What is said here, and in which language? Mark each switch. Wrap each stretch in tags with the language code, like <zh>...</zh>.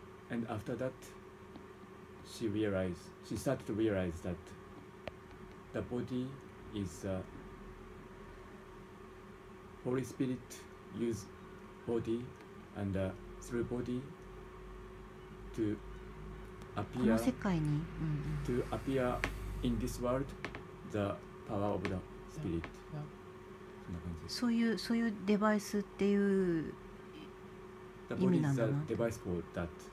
<en>And after that, she realized, she started to realize that the body is a Holy Spirit use body and through body to appear,</en> <ja>この世界に、</ja> <en>to appear in this world the power of the Spirit.</en> <ja>そういう、そういうデバイスっていう意味なんだな。</ja> <en>The body is the device for that.</en>